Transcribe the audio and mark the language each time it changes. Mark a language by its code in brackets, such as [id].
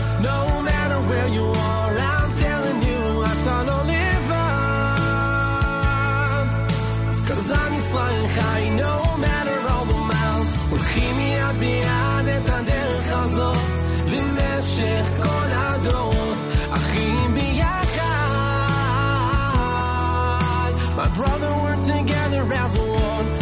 [en] No matter where you are, I'm telling you, [he] אתה לא לבד. [en] 'Cause I'm Israel Chai, no matter all the miles. [he] הולכים מיד ביד את הדרך למשך כל הדורות, אחים ביחד. [en] My brother, we're together as one.